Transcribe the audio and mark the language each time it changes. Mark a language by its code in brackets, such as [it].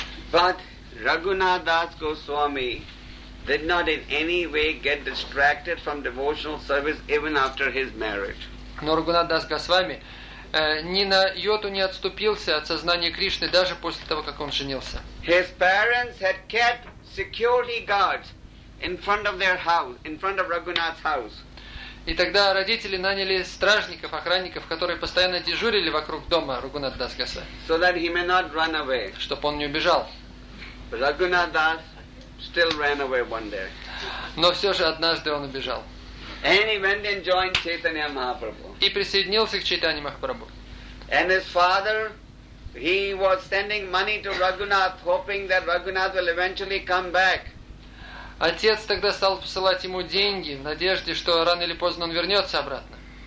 [en] But Raghunath Das Goswami did not in any way get distracted from devotional service even after his marriage. [ru] Но Рагхунат Дас Госвами ни на йоту не отступился от сознания Кришны даже после того, как он женился. [en] His parents had kept security guards in front of their house, in front of Raghunath's house. [ru] И тогда родители наняли стражников, охранников, которые постоянно дежурили вокруг дома Raghunath Das Goswami. [en] So that he may not run away. [ru] Чтобы он не убежал. [en] Raghunath Das still ran away one day. [ru] Но все же однажды он убежал. [en] And he went and joined Chaitanya Mahaprabhu. [ru] И присоединился к Чайтанье Махапрабху. [en] And his father, he was sending money to Raghunath, hoping that Raghunath will eventually come back. [ru] Отец тогда стал посылать ему деньги в надежде, что рано или поздно он вернется обратно.